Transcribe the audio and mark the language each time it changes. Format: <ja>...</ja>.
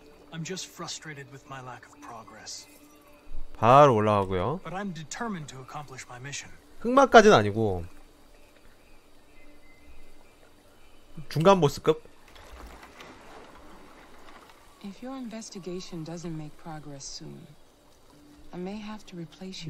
<en>I'm just frustrated with my lack of progress.</en> <ko>바로 올라가고요.</ko> <en>But I'm determined to accomplish my mission.</en> <ko>흑막까진 아니고 중간 보스급.</ko> <en>If your investigation doesn't make progress soon, I may have to replace you.</en>